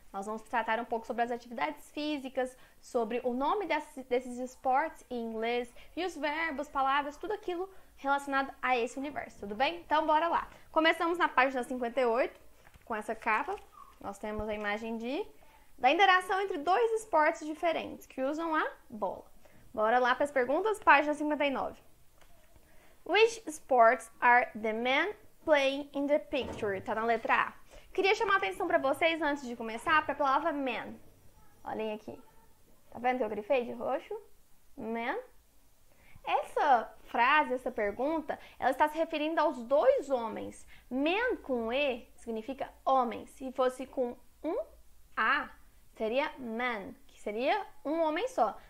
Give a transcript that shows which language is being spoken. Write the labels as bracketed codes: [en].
[pt] Nós vamos tratar um pouco sobre as atividades físicas, sobre o nome desses esportes em inglês, e os verbos, palavras, tudo aquilo relacionado a esse universo, tudo bem? Então bora lá. Começamos na página 58, com essa capa. Nós temos a imagem da interação entre dois esportes diferentes, que usam a bola. Bora lá para as perguntas, página 59. [en] Which sports are the men playing in the picture? [pt] Tá na letra A. Queria chamar a atenção para vocês, antes de começar, para a palavra man. Olhem aqui. Tá vendo que eu grifei de roxo? Man. Essa frase, essa pergunta, ela está se referindo aos dois homens. Man com E significa homens. Se fosse com um A, seria man, que seria um homem só.